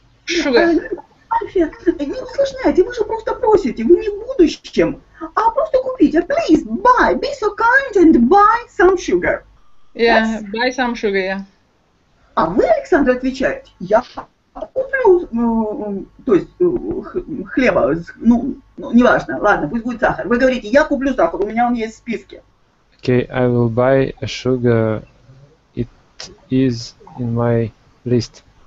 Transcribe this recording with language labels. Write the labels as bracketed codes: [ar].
[ru] Альфия, не усложняйте, вы же просто просите, вы не в будущем, а просто купите. [en] Please, buy, be so kind and buy some sugar. Yeah, yes. Buy some sugar, yeah. [ru] А вы, Александр, отвечаете, я куплю, то есть хлеба, ну, неважно, ладно, пусть будет сахар. Вы говорите, я куплю сахар, у меня он есть в списке. [en] Okay, I will buy a sugar, it is in my list.